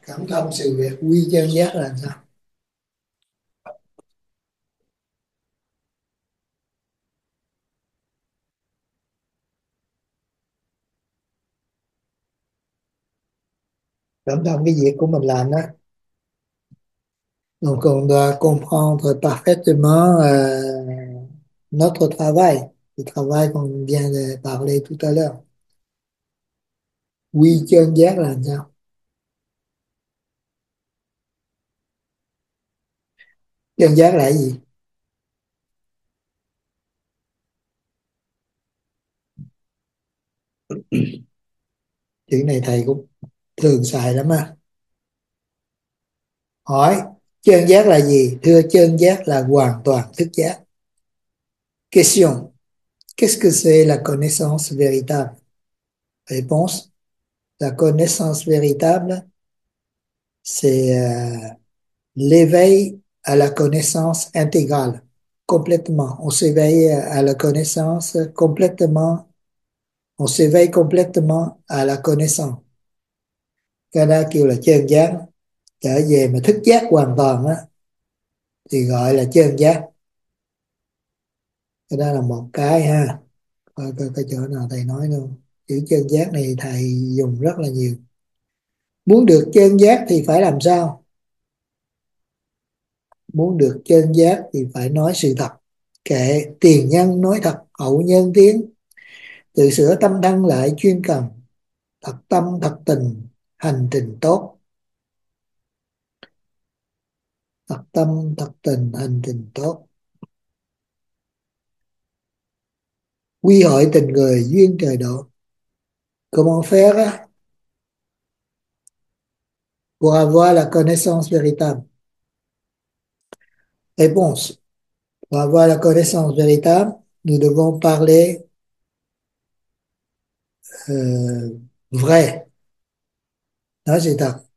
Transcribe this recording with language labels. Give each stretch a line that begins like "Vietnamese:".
Vietnamese: Cảm thông sự việc quy chân giác là sao? Cảm thông cái việc của mình làm đó. Donc on doit comprendre parfaitement notre travail, le travail qu'on vient de parler tout à l'heure. Quy chân giác là sao? Chân giác là gì? Chữ này thầy cũng thường xài lắm á. Hỏi Chân giác là gì? Thưa, chân giác là hoàn toàn thức giác.
French: Question. Qu'est-ce que c'est la connaissance véritable? Réponse. La connaissance véritable, c'est l'éveil à la connaissance intégrale, complètement. On s'éveille à la connaissance complètement. On s'éveille complètement à la connaissance.
Vietnamese: Cái đó kêu là chân giác. Trở về mà thức giác hoàn toàn á thì gọi là chân giác. Cái đó là một cái ha. Coi chỗ nào thầy nói luôn. Chữ chân giác này thầy dùng rất là nhiều. Muốn được chân giác thì phải làm sao? Muốn được chân giác thì phải nói sự thật. Kệ tiền nhân nói thật, hậu nhân tiếng. Tự sửa tâm đăng lại chuyên cần. Thật tâm, thật tình, hành trình tốt. Thật tâm, thật tình, hành trình tốt. Quy hội tình người, duyên trời độ.
French: Comment faire? Pour avoir la connaissance véritable. Réponse. Pour avoir la connaissance véritable, nous devons parler vrai. Non, c'est ça.